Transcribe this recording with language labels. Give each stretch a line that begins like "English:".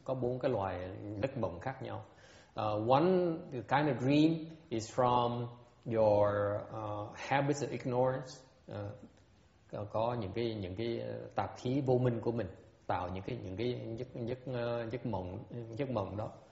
Vietnamese: Có bốn cái loại giấc mộng khác nhau.
English: One the kind of dream is from your habits of ignorance.
Vietnamese: Có những cái tạp khí vô minh của mình tạo những cái giấc mộng đó.